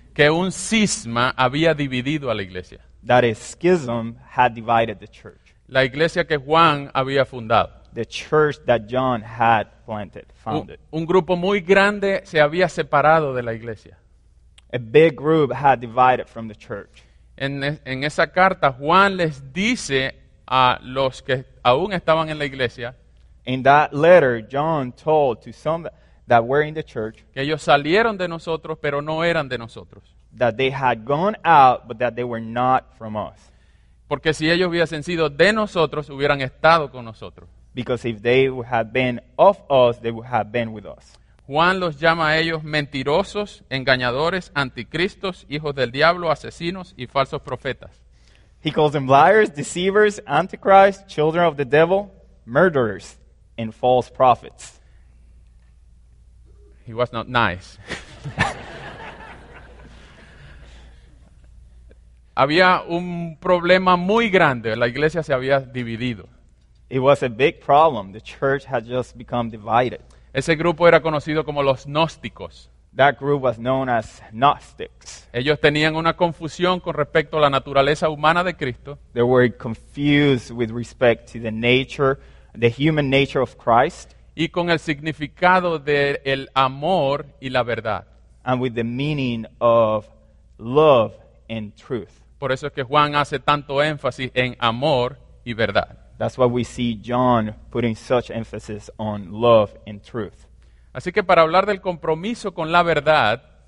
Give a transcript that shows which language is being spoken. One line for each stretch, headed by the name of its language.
Spanish: que un cisma había dividido a la iglesia.
English: That a schism had divided the church.
Spanish: La iglesia que Juan había fundado.
English: The church that John had planted, founded.
Spanish: Un grupo muy grande se había separado de la iglesia.
English: A big group had divided from the church.
Spanish: En esa carta, Juan les dice a los que aún estaban en la iglesia.
English: In that letter, John told to some that were in the church,
Spanish: que ellos salieron de nosotros, pero no eran de nosotros.
English: That they had gone out, but that they were not from us.
Spanish: Porque si ellos hubiesen sido de nosotros, hubieran estado con nosotros.
English: Because if they would have been of us, they would have been with us.
Spanish: Juan los llama a ellos mentirosos, engañadores, anticristos, hijos del diablo, asesinos y falsos profetas.
English: He calls them liars, deceivers, antichrists, children of the devil, murderers, and false prophets. He was not nice.
Spanish: Había un problema muy grande. La iglesia se había dividido.
English: It was a big problem. The church had just become divided.
Spanish: Ese grupo era conocido como los gnósticos.
English: That group was known as Gnostics.
Spanish: Ellos tenían una confusión con respecto a la naturaleza humana de Cristo.
English: They were confused with respect to the nature, the human nature of Christ.
Spanish: Y con el significado del amor y la verdad.
English: And with the meaning of love and truth.
Spanish: Por eso es que Juan hace tanto énfasis en amor y verdad.
English: That's why we see John putting such emphasis on love and truth.
Spanish: Así que para hablar del compromiso con la verdad,